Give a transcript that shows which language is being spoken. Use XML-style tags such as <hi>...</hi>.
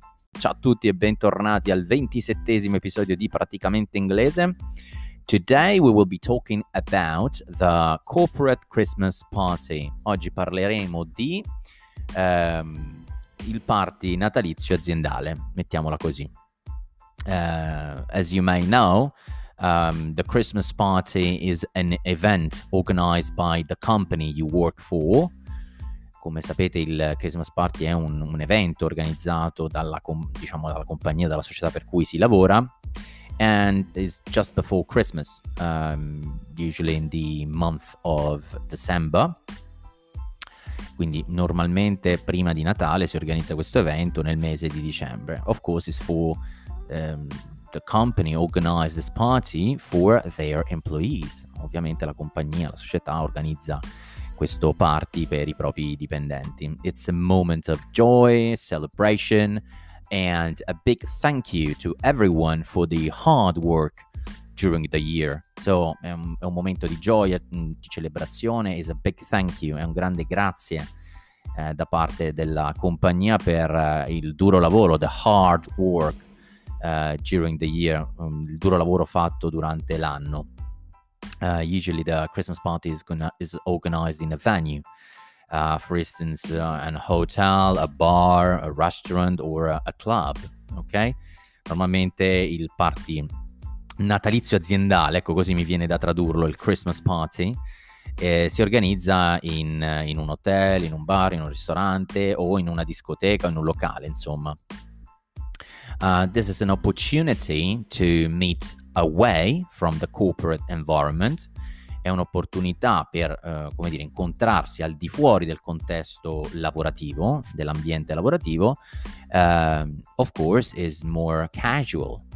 <it>Ciao a tutti e bentornati al 27esimo episodio di Praticamente Inglese.</it> <en>Today we will be talking about the corporate Christmas party.</en> <it>Oggi parleremo di il party natalizio aziendale, mettiamola così.</it> <en>As you may know, the Christmas party is an event organized by the company you work for.</en> <it>Come sapete, il Christmas party è un evento organizzato dalla compagnia, dalla società per cui si lavora,</it> <en>and is just before Christmas, usually in the month of December.</en> <it>Quindi normalmente prima di Natale si organizza questo evento nel mese di dicembre.</it> <en>Of course, it's for the company organizes this party for their employees.</en> <it>Ovviamente la compagnia, la società organizza questo party per i propri dipendenti.</it> <en>It's a moment of joy, celebration, and a big thank you to everyone for the hard work during the year.</en> <it>So è un momento di gioia, di celebrazione.</it> <en>Is a big thank you,</en> <it>è un grande grazie da parte della compagnia per il duro lavoro,</it> <en>the hard work during the year,</en> <it>il duro lavoro fatto durante l'anno.</it> <en>Usually the Christmas party is organized in a venue, for instance, an hotel, a bar, a restaurant or a club, okay?</en> <it>Normalmente il party natalizio aziendale, ecco così mi viene da tradurlo, il Christmas party, si organizza in un hotel, in un bar, in un ristorante o in una discoteca, in un locale, insomma.</it> <en>This is an opportunity to meet away from the corporate environment.</en> <it>È un'opportunità per, come dire, incontrarsi al di fuori del contesto lavorativo, dell'ambiente lavorativo.</it> <en>Of course, is more casual.</en>